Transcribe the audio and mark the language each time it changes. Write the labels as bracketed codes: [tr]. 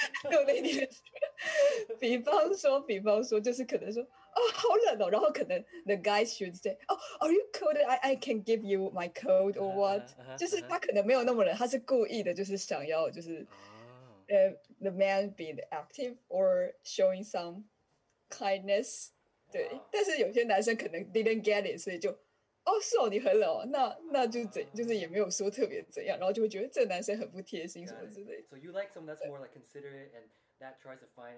[en] No, they didn't. [zh] 比方说, [en] just [zh] 可能说, [en] oh, how long? [zh] 然后可能, [en] the guys should say, oh, are you cold? I can give you my code or what? The man being active or showing some kindness. [zh] 对，但是有些男生可能 [en] didn't get it, [zh] 所以就哦，是哦，你很冷哦，那就怎就是也没有说特别怎样，然后就会觉得这男生很不贴心什么之类的。 [en] So you like someone that's more like considerate and that tries to find